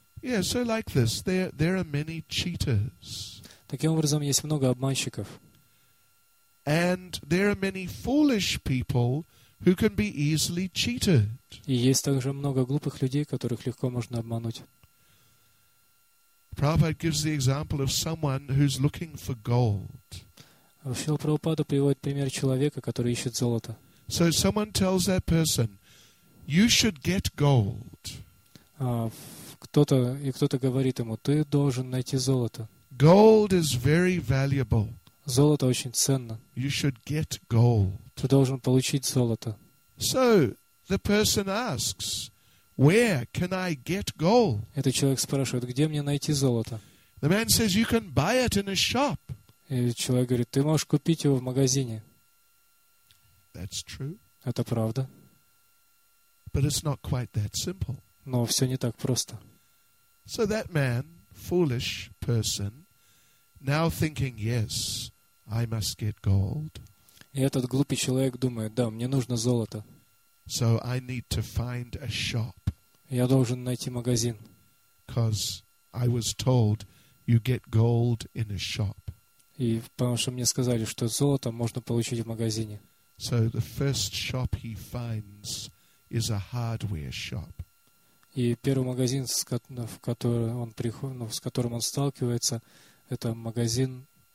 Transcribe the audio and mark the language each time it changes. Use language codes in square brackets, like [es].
[en] Yeah, so like this, there are many cheaters. [ru] Таким образом, есть много обманщиков. [en] And there are many foolish people who can be easily cheated. [ru] И есть также много глупых людей, которых легко можно обмануть. [en] Prabhupada gives the example of someone who's looking for gold. [ru] Шрила Прабхупада приводит пример человека, который ищет золото. [en] So someone tells that person, you should get gold. [ru] Кто-то говорит ему, ты должен найти золото. [en] Gold is very valuable. [ru] Золото очень ценно. [en] You should get gold. [ru] Ты должен получить золото. [en] So the person asks, where can I get gold? [ru] Этот человек спрашивает, где мне найти золото? [en] The man says, you can buy it in a shop. [ru] И человек говорит, ты можешь купить его в магазине. [en] That's true. [ru] Это правда. [en] But it's not quite that simple. [ru] Но все не так просто. [en] So that man, foolish person, now thinking, yes, I must get gold. [ru] И этот глупый человек думает, да, мне нужно золото. [en] So I need to find a shop. [ru] Я должен найти магазин. [en] Because I was told you get gold in a shop. [ru] И потому что мне сказали, что золото можно получить в магазине. [en] So the first shop he finds is a hardware shop. [ru] И первый магазин, с которым он сталкивается, это магазин